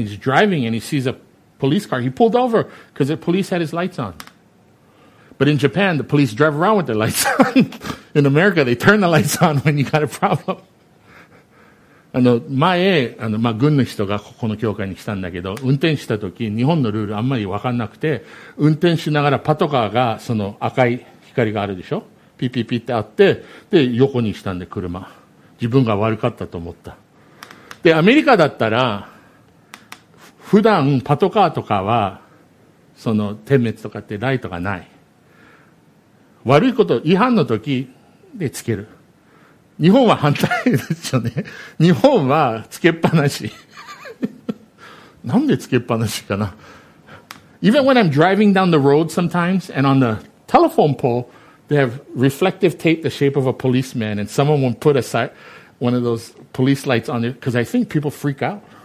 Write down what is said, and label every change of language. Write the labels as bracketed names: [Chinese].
[English] He's driving and he sees a police car. He pulled over because the police had his lights on. But in Japan, the police drive around with their lights on. In America, they turn the lights on when you got a problem. [Japanese] あの、前、あの、まあ、軍の人がここの教会に来たんだけど、運転した時、日本のルールあんまりわかんなくて、運転しながらパトカーが、その赤い光があるでしょ？ピッピッピッってあって、で、横にしたんで、車。自分が悪かったと思った。で、アメリカだったら、普段パトカーとかは、その点滅とかってライトがない。悪いこと、違反の時、でつける。日本は反対ですよね。日本はつけっぱなし。なんでつけっぱなしかな。 [English] Even when I'm driving down the road sometimes, and on the telephone pole, they have reflective tape the shape of a policeman, and someone will put aside one of those police lights on there, because I think people freak out.